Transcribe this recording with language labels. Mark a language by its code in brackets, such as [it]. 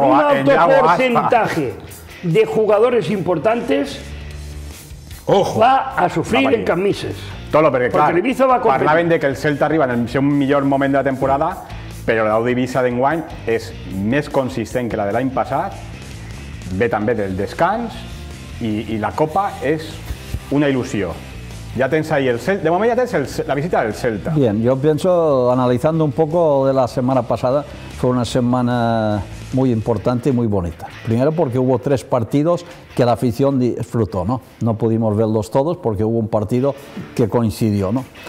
[es] con un alto porcentaje de jugadores importantes. Ojo. Va a sufrir en camises. Tolo, porque claro. Porque el Ibiza va a competir. [ca] Parlaven de que [es] el Celta arriba en el mejor momento de la temporada, pero la Udivisa de Enguany es más consistente que la del año pasado. [ca] Ve també del descans i la Copa és una il·lusió. Ja tens ahí el Celta, de moment ja tens la visita del Celta. [es] Bien, yo pienso, analizando un poco de la semana pasada, fue una semana muy importante y muy bonita. Primero porque hubo tres partidos que la afición disfrutó, ¿no? No pudimos verlos todos porque hubo un partido que coincidió, ¿no?